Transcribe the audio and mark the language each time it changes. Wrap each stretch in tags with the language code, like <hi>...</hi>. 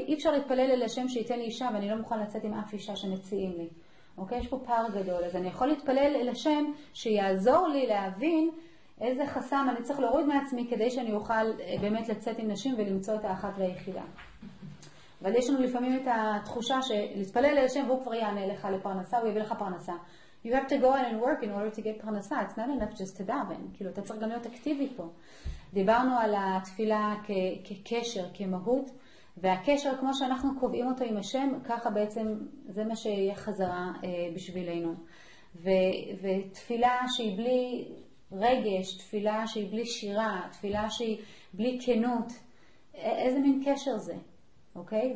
<he>אי אפשר להתפלל אל השם שייתן לי אישה ואני לא מוכן לצאת עם אף אישה שמציעים לי. אוקיי? יש פה פער גדול. אז אני יכול להתפלל אל השם שיעזור לי להבין איזה חסם אני צריך להוריד מעצמי כדי שאני אוכל באמת לצאת עם נשים ולמצוא את האחת והיחידה. אבל יש לנו לפעמים את התחושה שלהתפלל אל השם והוא כבר יענה לך לפרנסה, הוא יביא לך פרנסה.</he> <en>You have to go and work in order to get פרנסה. It's not enough just to daven.</en> <he>כאילו, אתה צריך גם להיות אקטיבי פה. דיברנו על התפילה כקשר, כמהות. והקשר, כמו שאנחנו קובעים אותו עם השם, ככה בעצם זה מה שיהיה חזרה בשבילנו. ותפילה שהיא בלי רגש, תפילה שהיא בלי שירה, תפילה שהיא בלי כנות, איזה מין קשר זה? אוקיי?</he>